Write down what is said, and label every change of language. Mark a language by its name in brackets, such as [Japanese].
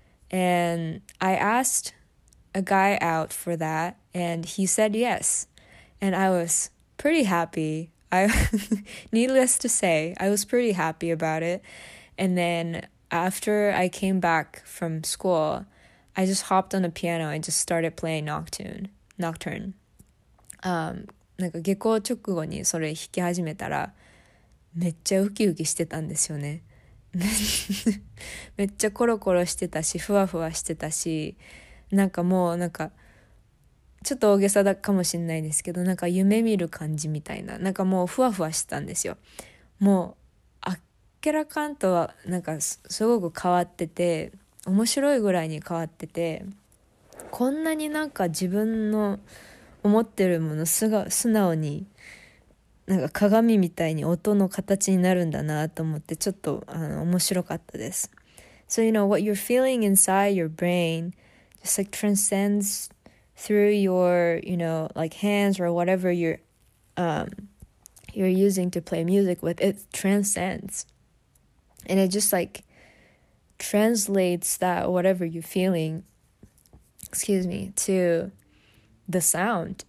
[English] And I asked a guy out for that, and he said yes. And I was pretty happy. Needless to say, I was pretty happy about it. And then after I came back from school, I just hopped on the piano and just started playing Nocturne. [Japanese] なんか下校直後にそれ弾き始めたら、めっちゃウキウキしてたんですよね。めっちゃコロコロしてたし、ふわふわしてたし、なんかもうなんか、ちょっと大げさだかもしれないですけど、なんか夢見る感じみたいな、なんかもうふわふわしてたんですよ。もう、あっけらかんとは、なんかすごく変わってて、面白いぐらいに変わってて、こんなになんか自分の思ってるもの素直に、なんか鏡みたいに音の形になるんだなと思って、ちょっと面白かったです。 [English] So you know, what you're feeling inside your brain just like transcends through your, you know, like hands or whatever you're using to play music with, it transcends. And it just like translates that whatever you're feeling, excuse me, to the sound.